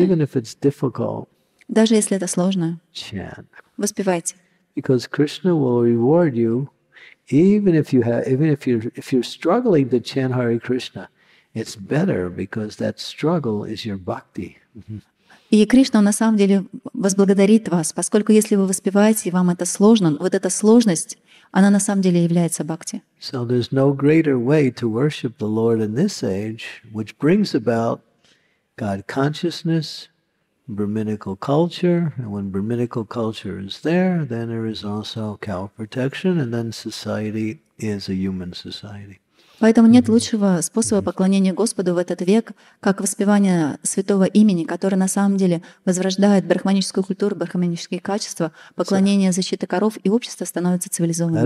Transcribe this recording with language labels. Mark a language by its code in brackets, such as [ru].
[en] So even if it's difficult, [ru] даже если это сложно, [en] chant. [ru] Воспевайте. [en] Because Krishna will reward you, even if you're struggling to chant Hare Krishna. It's better because that struggle is your bhakti. [ru] И Кришна на самом деле возблагодарит вас, поскольку если вы воспеваете, вам это сложно, вот эта сложность, она на самом деле является бхакти. [en] So there's no greater way to worship the Lord in this age, which brings about God consciousness, brahminical culture, and when brahminical culture is there, then there is also cow protection, and then society is a human society. [ru] Поэтому нет лучшего способа поклонения Господу в этот век, как воспевание святого имени, которое на самом деле возрождает брахманическую культуру, брахманические качества, поклонение защиты коров, и общество становится цивилизованным.